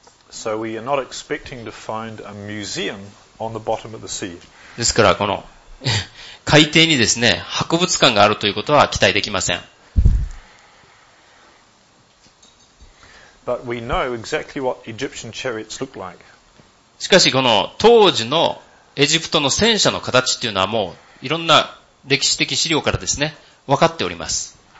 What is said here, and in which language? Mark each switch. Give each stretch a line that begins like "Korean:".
English: So we are not expecting to find a museum on the bottom of the sea.
Japanese: ですからこの海底にですね、博物館があるということは期待できません。
English: But we know exactly what Egyptian chariots look like.
Japanese: しかしこの当時のエジプトの戦車の形っていうのはもういろんな歴史的資料からですね、分かっております。